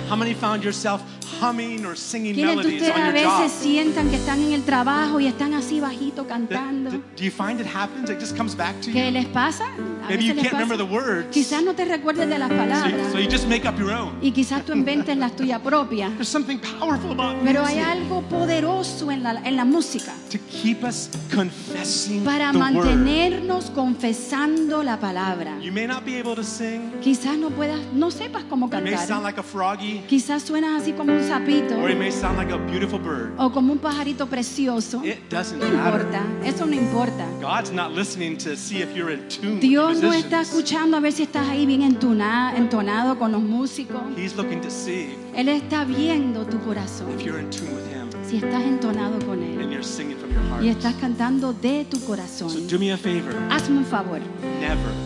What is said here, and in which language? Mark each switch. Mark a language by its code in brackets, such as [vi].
[en] How many found yourself humming or singing melodies on your job? [es] ¿Quiénes de ustedes a veces sientan que están en el trabajo y están así bajito cantando? [en] Do you find it happens? It just comes back to you. [es] ¿Qué les pasa? [en] Maybe you can't remember the words. [es] Quizás no te recuerdes de las palabras. [en] So you just make up your own. [es] Y quizás tú inventes las tuyas propias. [en] There's something powerful about music. [es] Pero hay algo poderoso en la música. [en] To keep us confessing the word. [es] Para mantenernos confesando la palabra. [en] You may not be able to sing. [es] Quizás no puedas, no sepas cómo cantar. [en] It may sound like a froggy, [es] quizás suenas así como un sapito. [en] Or it may sound like a beautiful bird. [es] O como un pajarito precioso. [en] It doesn't matter. [es] No importa. Eso no importa. [en] God's not listening to see if you're in tune. [es] Dios no está escuchando a ver si estás ahí bien entonado con los músicos. [en] He's looking to see. [es] Él está viendo tu corazón. [en] If you're in tune with him. [es] si estás entonado con Él [en] and you're singing from your heart. [es] Y estás cantando de tu corazón. [en] So do me a favor. [es] Hazme un favor. [en] Never.